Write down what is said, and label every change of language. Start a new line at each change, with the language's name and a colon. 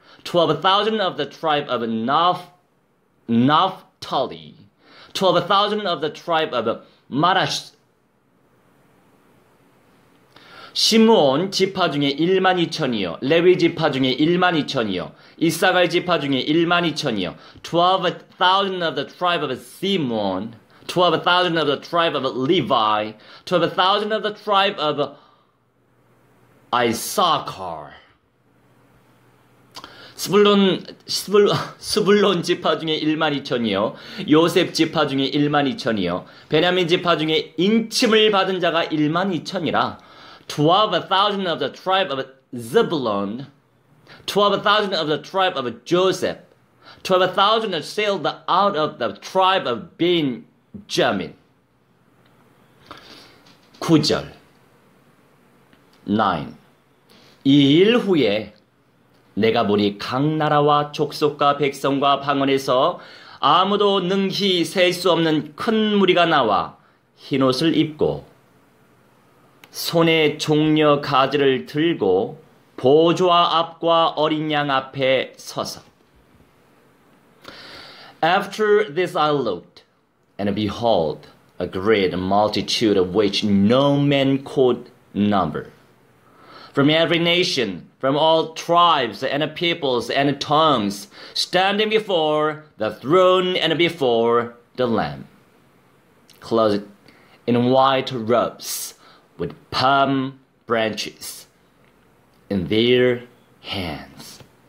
English: 12,000 of the tribe of Naphtali. 12,000 of the tribe of Manasseh.
Korean: 시므온 지파 중에 1만 2천이요. 레위 지파 중에 1만 2천이요. 이사갈 지파 중에 1만 2천이요.
English: 12,000 of the tribe of Simeon. 12,000 of the tribe of Levi, 12,000 of the tribe of Issachar.
Korean: 스불론 지파 중에 1만 2천이요. 요셉 지파 중에 1만 2천이요. 베냐민 지파 중에 인침을 받은 자가 1만 2천이라. 12,000 of the tribe of Zebulun, 12,000 of the tribe of Joseph, 12,000 have sailed out of the tribe of Ben. 9절. 이일 후에 내가 보니 각 나라와 족속과 백성과 방언에서 아무도 능히 셀 수 없는 큰 무리가 나와 흰옷을 입고 손에 종려 가지를 들고 보좌 앞과 어린 양 앞에 서서.
English: After this I looked, and behold, a great multitude of which no man could number. From every nation, from all tribes and peoples and tongues, standing before the throne and before the Lamb, clothed in white robes with palm branches in their hands.